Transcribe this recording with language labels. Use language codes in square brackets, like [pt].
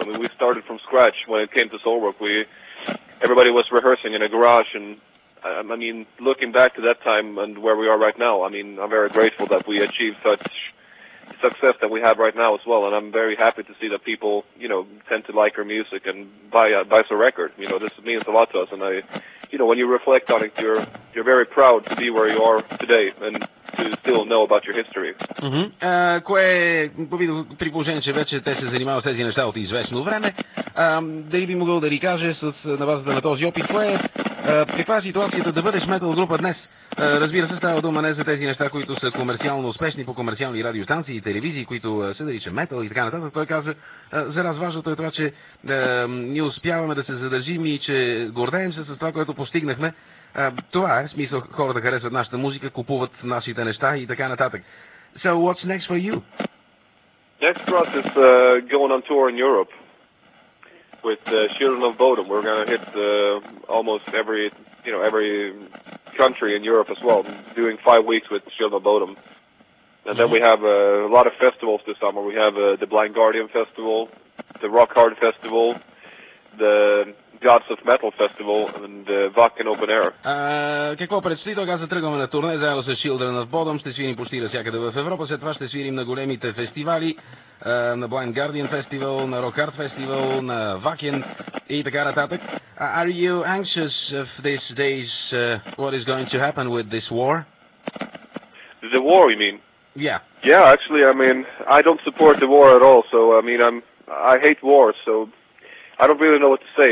[en] I mean, we started from scratch when it came to Soulwork. Everybody was rehearsing in a garage, and I mean, looking back to that time and where we are right now, I mean, I'm very grateful that we achieved such success that we have right now as well, and I'm very happy to see that people, you know, tend to like our music and buy a record. You know, this means a lot to us, and I, you know, when you reflect on it, you're very proud to be where you are today and to still know about your history. [bg] Кое при положение, че вече те се занимават с тези неща от известно време, дали би могъл да ни каже на базата на този опит, кое е каква е ситуацията да бъдеш метал група днес? Разбира се, става дума не за тези неща, които са комерциално успешни по комерциални радиостанции и телевизии, които се нарича метал и така нататък. Той каза, за нас важното е това, че ние успяваме да се задържим и че гордеем се с това, което постигнахме. Това е смисъл, хората харесват нашата музика, купуват нашите неща и така нататък. [en] So, what's next for you? Next for us is going on tour in Europe. With Children of Bodom, we're gonna hit almost every, you know, every country in Europe as well, doing 5 weeks with Children of Bodom. And then we have a lot of festivals this summer. We have the Blind Guardian Festival, the Rock Hard Festival, the Gods of Metal Festival and Vak in Open Air. [bg] Какво предстои тогава? Аз тръгваме на турне заедно с Children of Bodom. Ще свирим почти навсякъде в Европа. След това ще свирим на големите фестивали. На Blind Guardian Festival, на Rock Hard Festival, на Vakin и така нататък. [en] Are you anxious of these days what is going to happen with this war? The war, you mean? Yeah. Yeah, actually, I mean, I don't support the war at all, so, I mean, I hate war, so I don't really know what to say.